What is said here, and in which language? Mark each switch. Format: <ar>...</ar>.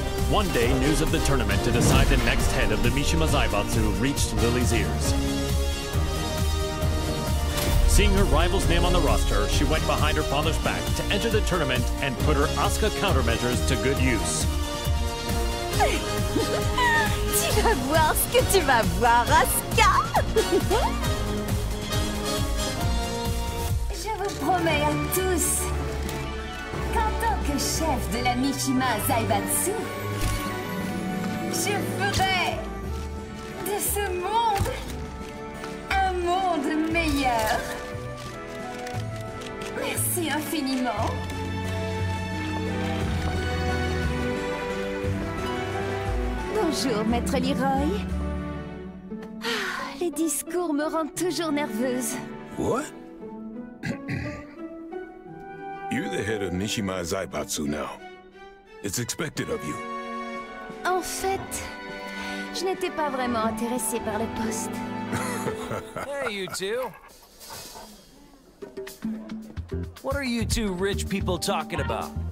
<en>One day, news of the tournament to decide the next head of the Mishima Zaibatsu reached Lily's ears. Seeing her rival's name on the roster, she went behind her father's back to enter the tournament and put her Asuka countermeasures to good use.</en> <fr>Tu vas voir ce que tu vas voir, Asuka. Je vous promets à tous qu'en tant que chef de la Mishima Zaibatsu, je ferai de ce monde un monde meilleur. Merci infiniment. Bonjour, Maître Leroy. Les discours me rendent toujours nerveuse.</fr> <en>What? You're the head of Mishima Zaibatsu now. It's expected of you.</en> <fr>En fait, je n'étais pas vraiment intéressée par le poste.</fr> <en>Hey, you two. What are you two rich people talking about?</en>